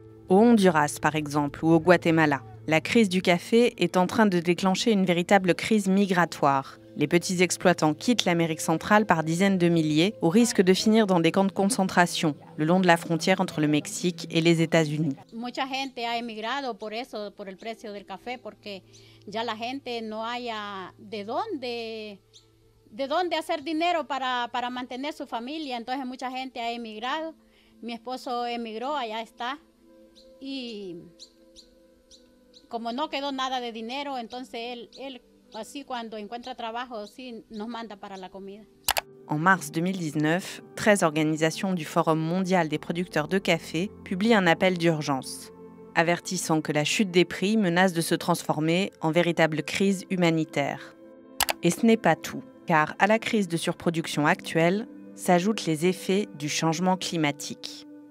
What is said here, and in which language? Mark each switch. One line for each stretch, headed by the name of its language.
French: Au Honduras, par exemple, ou au Guatemala, la crise du café est en train de déclencher une véritable crise migratoire. Les petits exploitants quittent l'Amérique centrale par dizaines de milliers, au risque de finir dans des camps de concentration, le long de la frontière entre le Mexique et les États-Unis.
Spanish: Mucha gente ha emigrado por eso, por el precio del café, porque ya la gente no haya de dónde hacer dinero para mantener su familia. Entonces mucha gente ha emigrado. Mi esposo emigró, allá está. Y como no quedó nada de dinero, entonces él así cuando encuentra trabajo, sí, nos manda para la comida.
French: En mars 2019, 13 organisations du Forum mondial des producteurs de café publient un appel d'urgence, avertissant que la chute des prix menace de se transformer en véritable crise humanitaire. Et ce n'est pas tout, car à la crise de surproduction actuelle s'ajoutent les effets du changement climatique.